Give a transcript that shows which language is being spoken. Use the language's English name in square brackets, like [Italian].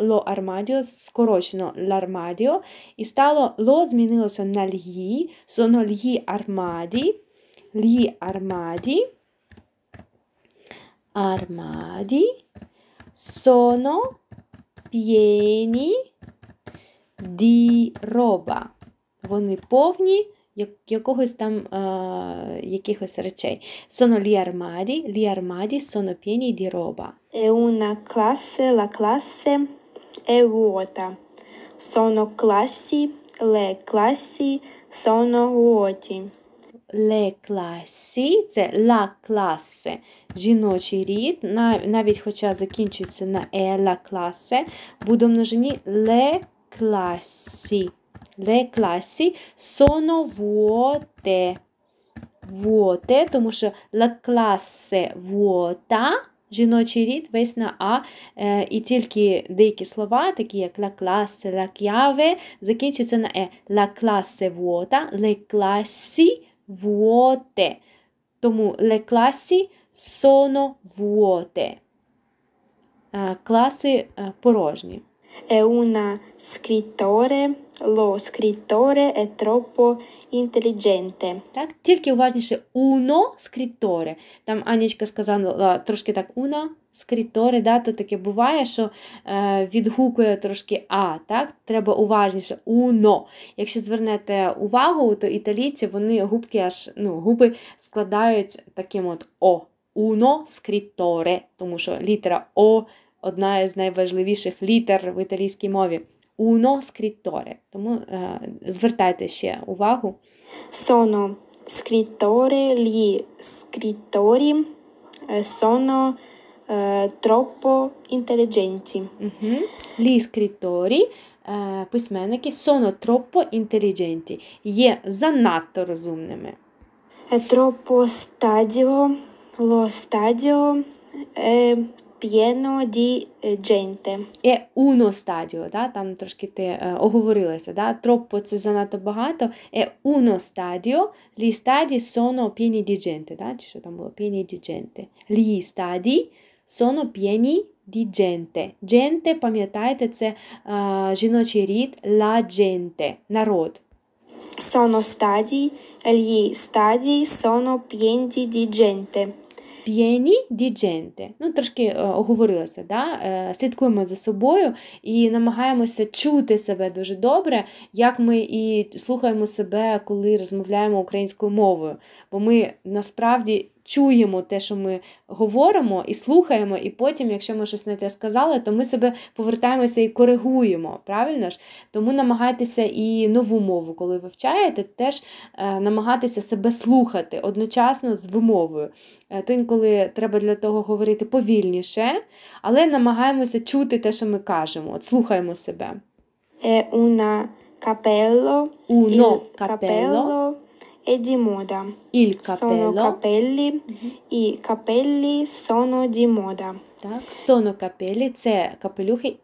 [Italian] Lo armadio, [Ukrainian] скорочено [Italian] l'armadio, [Ukrainian] і стало [Italian] lo [Ukrainian] змінилося на [Italian] gli, sono gli armadi, gli armadi, armadi sono pieni di roba, [Ukrainian] вони повні якогось там якихось речей. [Italian] Sono gli armadi sono pieni di roba. È una classe, la classe è vuota. Sono classi, le classi sono vuoti. [Ukrainian] Le classi, це [Italian] la classe, [Ukrainian] жіночий рід, навіть хоча закінчується на e, la classe, буде множині [Italian] le classi. Le classi sono vuote. [Ukrainian] Vuote, тому що [Italian] la classe vuota, [Ukrainian] жіночий рід весь на A, і тільки деякі слова, такі як [Italian] la classe, la chiave, [Ukrainian] закінчуються на E. [Italian] La classe vuota, le classi vuote. Тому le classi sono vuote. [Ukrainian] Класи порожні. [Italian] È una scrittore, lo scrittore è troppo intelligente. [Ukrainian] Так, тільки уважніше [Italian] uno scrittore. [Ukrainian] Там Анечка сказала трошки так uno scrittore, да, то таке буває, що відгукує трошки а, так? Треба уважніше uno. Якщо звернете увагу, то італійці вони губки аж, ну, губи складають таким от о. [Italian] Uno scrittore, [Ukrainian] тому що літера о одна із найважливіших літер в італійській мові. [Italian] Uno scrittore. [Ukrainian] Тому звертайте ще увагу. [Italian] Sono scrittore, gli scrittori sono troppo intelligenti. Gli scrittori, [Ukrainian] письменники, [Italian] sono troppo intelligenti, [Ukrainian] є занадто розумними. [Italian] È troppo stadio, lo stadio è pieno di gente. È uno stadio, да? [Ukrainian] Там трошки ти оговорилася, да? Troppo це занадто багато. [Italian] È uno stadio, gli stadi sono pieni di gente, да? [Ukrainian] Чи що там було? [Italian] Pieni di gente. Gli stadi sono pieni di gente. [Ukrainian] Gente, пам'ятаєте, це жіночий рід, [Italian] la gente, [Ukrainian] народ. [Italian] Sono stadi, gli stadi sono pieni di gente. п'єні ді дженте. [Ukrainian] Ну, трошки оговорилася, да? Слідкуємо за собою і намагаємося чути себе дуже добре, як ми і слухаємо себе, коли розмовляємо українською мовою. Бо ми насправді чуємо те, що ми говоримо, і слухаємо, і потім, якщо ми щось не те сказали, то ми себе повертаємося і коригуємо, правильно ж? Тому намагайтеся і нову мову, коли вивчаєте, теж намагатися себе слухати одночасно з вимовою. То інколи треба для того говорити повільніше, але намагаємося чути те, що ми кажемо, от слухаємо себе. [Italian] È una capello. Uno capello. E di moda. Il capello. Sono capelli. Uh-huh. I capelli sono di moda. [Ukrainian] Так, [Italian] sono capelli, [Ukrainian] це капелюхи.